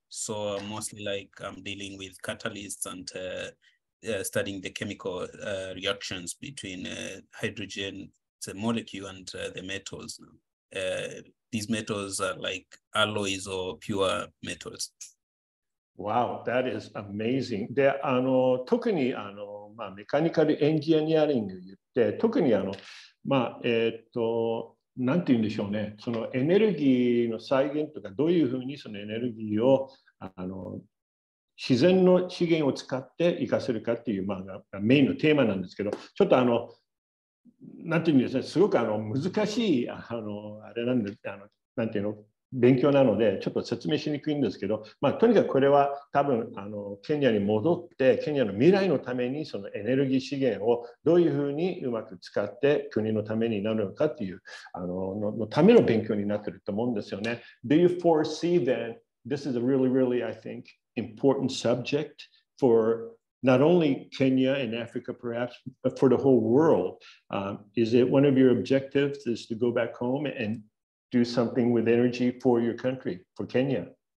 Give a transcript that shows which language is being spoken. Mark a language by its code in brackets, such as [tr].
[en] So mostly like I'm dealing with catalysts andstudying the chemical reactions between hydrogen, the molecule, and the metals. These metals are like alloys or pure metals. Wow, that is amazing. [ja] で、特にまあ、メカニカルエンジニアリングって、特にまあ、なんて言うんでしょうね、そのエネルギーの再現とか、どういうふうにそのエネルギーを自然の資源を使って生かせるかっていう、まあ、がメインのテーマなんですけど、ちょっとなんていうんですかね、すごく難しい、あれなんで、なんていうの、勉強なので、ちょっと説明しにくいんですけど、まあ、とにかくこれは多分、ケニアに戻って、ケニアの未来のために、そのエネルギー資源をどういうふうにうまく使って、国のためになるのかっていう、のための勉強になってると思うんですよね。 [en] Do you foresee that this is a really, really, I think,important subject for not only Kenya and Africa, perhaps, but for the whole world. Is it one of your objectives is to go back home and do something with energy for your country, for Kenya?